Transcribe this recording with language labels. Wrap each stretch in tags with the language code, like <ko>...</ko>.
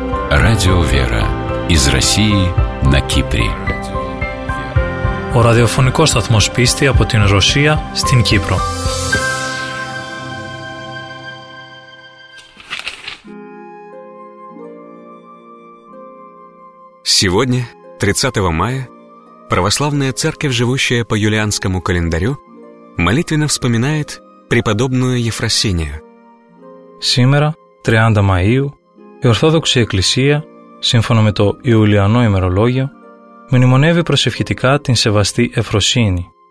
<ru>Радио «Вера» из России на Кипре.</ru> <el>Ο ραδιοφωνικός σταθμός πίστη από την Ρωσία στην Κύπρο.</el> <ru>Сегодня, 30 мая, православная церковь, живущая по юлианскому календарю, молитвенно вспоминает преподобную Ефросинию. Сегодня, 30 мая,</ru> <el>η Ορθόδοξη Εκκλησία, σύμφωνα με το Ιουλιανό ημερολόγιο, μνημονεύει προσευχητικά την σεβαστή Εφροσύνη.</el>